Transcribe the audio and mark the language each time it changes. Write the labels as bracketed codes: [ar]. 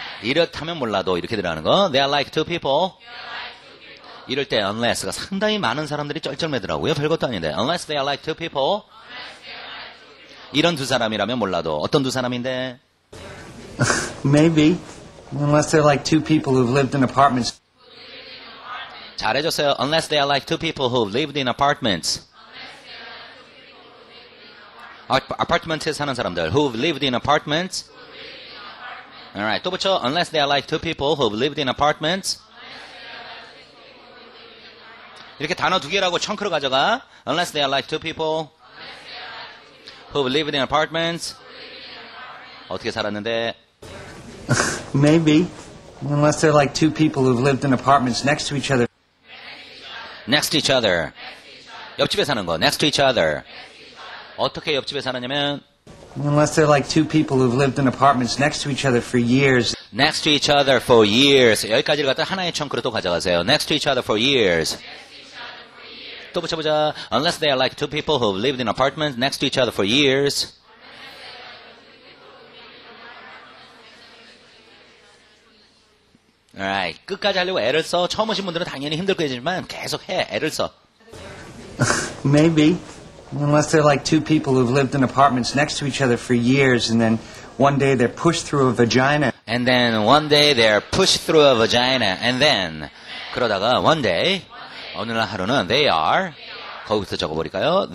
[ko] 이렇다면 몰라도 이렇게 들어가는 거. [en] They are like two people. [ko] 이럴 때 unless가 상당히 많은 사람들이 쩔쩔매더라고요. 별것도 아닌데. [en] Unless they are like two people. [ko] 이런 두 사람이라면 몰라도. 어떤 두 사람인데? [en] Maybe. Unless they are like two people who've lived in apartments. [ko] 잘해줬어요. [en] Unless they are like two people who've lived in apartments. Apartments에 [ko] 사는 사람들. [en] Who've lived in apartments. Alright, [ko] 또 붙여. [en] Unless they are like two people who've lived in apartments. [ko] 이렇게 단어 두 개라고 chunk로 가져가. [en] Unless they are like two people. Who lived in apartments? [ko] 어떻게 살았는데? [en] Maybe. Unless they're like two people who've lived in apartments next to each other. Next to each other. [ko] 옆집에 사는 거. [en] Next to each other. [ko] 어떻게 옆집에 사느냐면 [en] Unless they're like two people who've lived in apartments next to each other for years. Next to each other for years. [ko] 여기까지를 갖다 하나의 청크로 또 가져가세요. [en] Next to each other for years. [ko] 또 붙여보자. [en] Unless they are like two people who've lived in apartments next to each other for years. [ko] 알라이. 끝까지 하려고 애를 써. 처음 오신 분들은 당연히 힘들 거지만 계속 해. 애를 써. [en] Maybe. Unless they're like two people who've lived in apartments next to each other for years and then one day they're pushed through a vagina. And then one day they're pushed through a vagina. And then [ko] 그러다가 [en] one day [ko] 어느 날 하루는 [en] they are [ko] 거기부터 적어버릴까요?